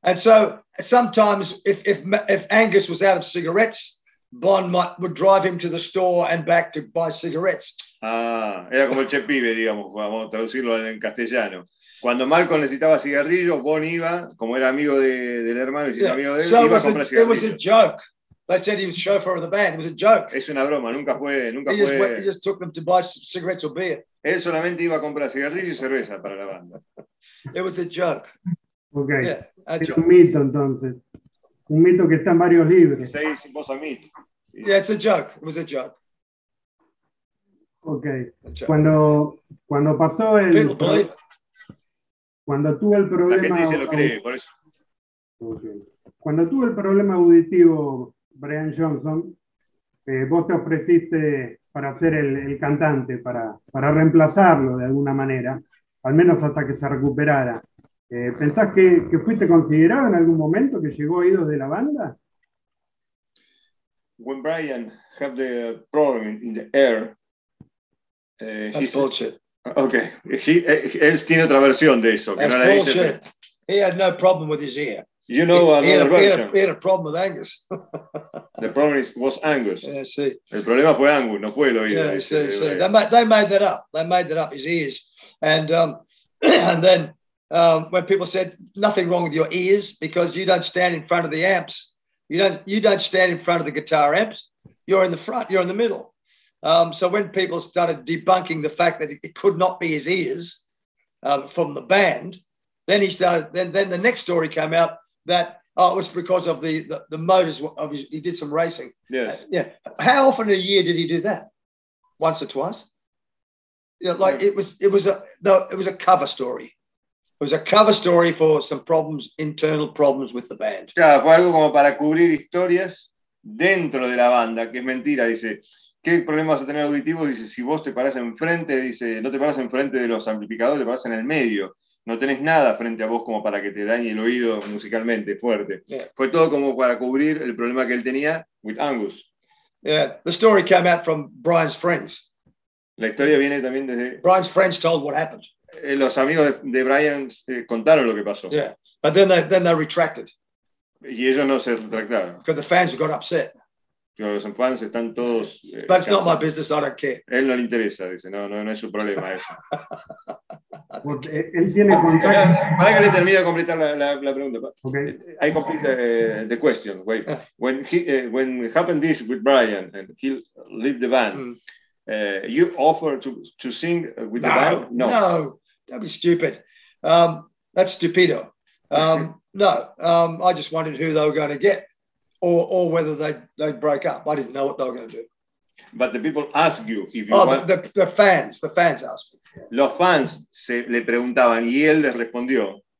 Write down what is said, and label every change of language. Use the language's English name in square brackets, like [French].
[English] And so sometimes if Angus was out of cigarettes, Bon would drive him to the store and back to buy cigarettes. [Spanish] Ah, era como el Che Pibe, digamos, vamos a traducirlo en castellano. Cuando Malcolm necesitaba cigarrillos, Bon iba, como era amigo del hermano y si era amigo de él, iba a comprar cigarrillos. [English] It was a joke. They said he was chauffeur of the band. It was a joke. [Spanish] Es una broma, nunca [English] fue. He just took them to buy cigarettes or beer. [Spanish] Él solamente iba a comprar cigarrillos y cerveza para la banda. [English] It was a joke. [Spanish] Okay. Yeah, es un mito, entonces. Un mito que está en varios libros. Se dice, vos a mí. [English] Yeah, it's a joke. It was a joke. [Spanish] Okay. Cuando pasó el... Cuando tuve el problema... La gente se lo cree, por eso. [English] Okay. [Spanish] Cuando tuve el problema auditivo, Brian Johnson, vos te ofreciste para ser el cantante, para reemplazarlo de alguna manera, al menos hasta que se recuperara. ¿Pensás que fuiste considerado en algún momento, que llegó oído de la banda? [English] When Brian had the problem in the air, that's bullshit. [Spanish] Okay, él tiene otra versión de eso. [English] That's [Spanish] que no [English] bullshit. [Spanish] La dice. [English] He had no problem with his ear. You know, he had a problem with Angus. The problem was Angus. Yeah, see. [Spanish] El problema fue Angus, no fue el oído. They made that up, his ears. And then when people said, nothing wrong with your ears, because you don't stand in front of the amps. You don't stand in front of the guitar amps. You're in the front, you're in the middle. So when people started debunking the fact that it could not be his ears from the band, then he started, then the next story came out that it was because of the motors of his, he did some racing. Yes. How often a year did he do that? Once or twice? It was a cover story. It was a cover story for some problems, internal problems with the band. Claro, fue algo como para cubrir historias dentro de la banda, que es mentira. Dice, ¿qué problema vas a tener auditivo? Dice, si vos te parás enfrente, dice, no te parás enfrente de los amplificadores, te parás en el medio. No tenés nada frente a vos como para que te dañe el oído musicalmente fuerte. [English] Yeah. [Spanish] Fue todo como para cubrir el problema que él tenía with Angus. [English] Yeah, the story came out from Brian's friends. [Spanish] La historia viene también desde... [English] Brian's friends told what happened. [Spanish] Los amigos de Brian contaron lo que pasó. [English] Yeah. But then they retracted. [Spanish] Y ellos no se retractaron. [English] Because the fans got upset. [Spanish] Pero los fans están todos. [English] But it's not my business, I don't care. [Spanish] Él no le interesa, dice, no es su problema eso. Él tiene contacto. Para que le termine de completar la pregunta. Okay. [English] I complete the question. Wait. When happened this with Brian and he left the band. Mm. You offer to sing with the band? No, that'd be stupid. That's stupido. I just wondered who they were going to get, or whether they'd break up. I didn't know what they were going to do. But the people ask you if you want. The fans asked. [Spanish] Los fans se le preguntaban y él les respondió.